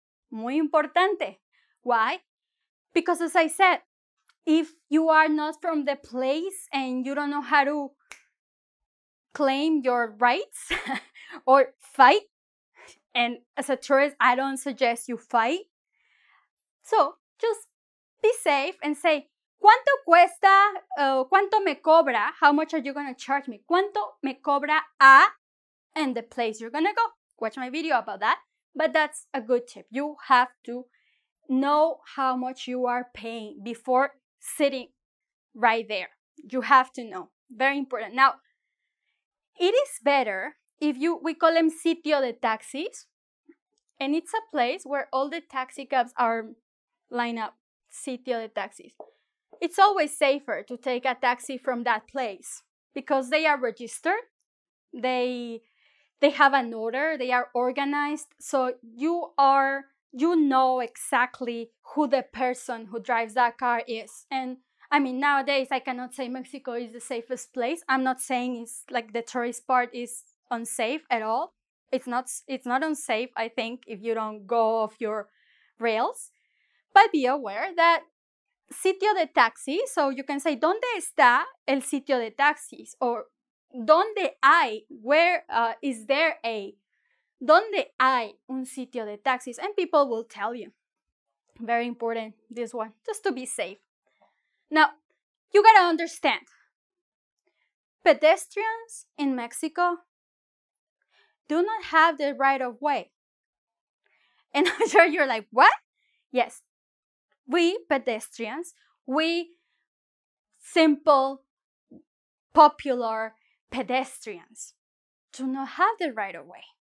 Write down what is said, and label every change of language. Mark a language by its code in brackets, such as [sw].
[es] Muy importante. [en] Why? Because as I said, if you are not from the place and you don't know how to claim your rights or fight, and as a tourist, I don't suggest you fight. So just be safe and say, [es] ¿cuánto cuesta? ¿Cuánto me cobra? [en] How much are you going to charge me? [es] ¿Cuánto me cobra a? [en] And the place you're going to go. Watch my video about that. But that's a good tip. You have to know how much you are paying before sitting right there. You have to know. Very important. Now, it is better if you, we call them sitio de taxis. And it's a place where all the taxi cabs are lined up. Sitio de taxis. It's always safer to take a taxi from that place because they are registered. They have an order, they are organized. So you know exactly who the person who drives that car is. And I mean, nowadays I cannot say Mexico is the safest place. I'm not saying it's like the tourist part is unsafe at all. It's not unsafe, I think, if you don't go off your rails. But be aware that sitio de taxi, so you can say, [es] ¿dónde está el sitio de taxis? [en] Or [es] ¿dónde hay? [en] Where is there a? [es] ¿Dónde hay un sitio de taxis? [en] And people will tell you. Very important, this one, just to be safe. Now, you gotta understand. Pedestrians in Mexico do not have the right of way. And I'm sure you're like, what? Yes. We pedestrians, we simple, popular pedestrians do not have the right of way.